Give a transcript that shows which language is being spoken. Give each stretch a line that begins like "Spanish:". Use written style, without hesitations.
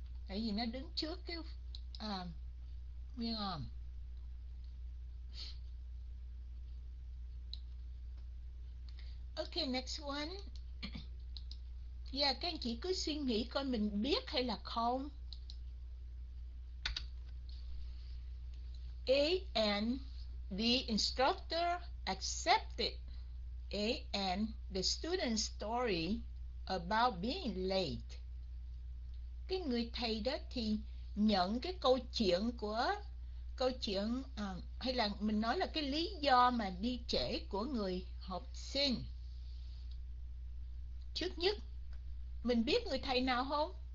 Vietnamese: Tại vì nó đứng trước cái nguyên âm.
English: Ok, next one.
Vietnamese: Yeah, các anh chị cứ suy nghĩ coi mình biết hay là không.
English: A and the instructor accepted A and the student's story about being late.
Vietnamese: Cái người thầy đó thì nhận cái câu chuyện hay là mình nói là cái lý do mà đi trễ của người học sinh. Trước nhất mình biết người thầy nào không?